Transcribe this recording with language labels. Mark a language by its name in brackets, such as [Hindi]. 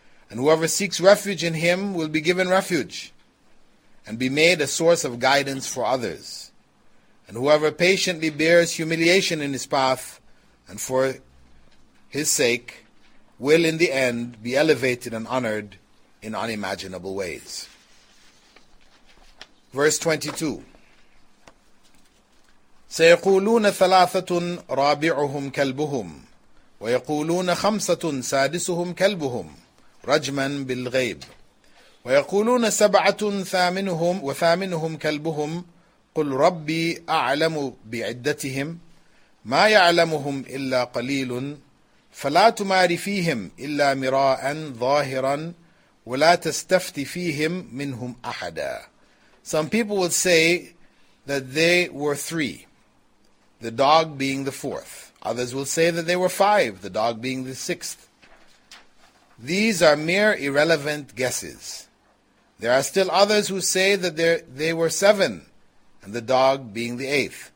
[English] And whoever seeks refuge in him will be given refuge and be made a source of guidance for others. And whoever patiently bears humiliation in his path and for his sake will in the end be elevated and honored in unimaginable ways. Verse 22. [Arabic] سيقولون ثلاثة رابعهم كلبهم ويقولون خمسة سادسهم كلبهم رجما بالغيب ويقولون سبعة ثامنهم كلبهم قل ربي أعلم بعدتهم ما يعلمهم إلا قليل فلا تمار فيهم إلا مراء ظاهرا ولا تستفت فيهم منهم أحدا. [English] Some people would say that they were three, the dog being the fourth. Others will say that they were five, the dog being the sixth. These are mere irrelevant guesses. There are still others who say that they were seven, and the dog being the eighth.